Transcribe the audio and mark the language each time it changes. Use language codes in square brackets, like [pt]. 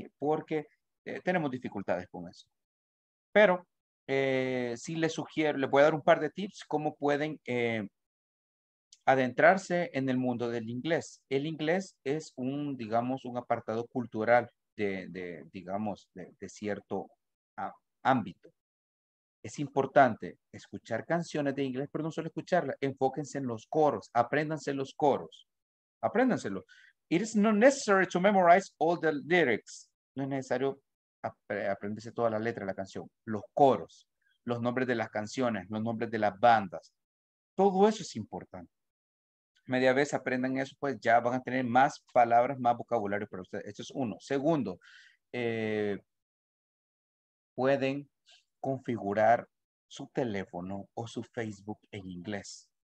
[es] Porque tenemos dificultades con eso. Pero sí les sugiero, les voy a dar un par de tips cómo pueden adentrarse en el mundo del inglés. El inglés es un, digamos, un apartado cultural de cierto ámbito. Es importante escuchar canciones de inglés, pero no solo escucharlas. Enfóquense en los coros. Apréndanse los coros. Apréndanselos. [en] It is not necessary to memorize all the lyrics. [es] No es necesario aprenderse toda la letra de la canción. Los coros, los nombres de las canciones, los nombres de las bandas. Todo eso es importante. Media vez aprendan eso, pues ya van a tener más palabras, más vocabulario para ustedes. Esto es uno. Segundo, pueden configurar su teléfono o su Facebook en inglés.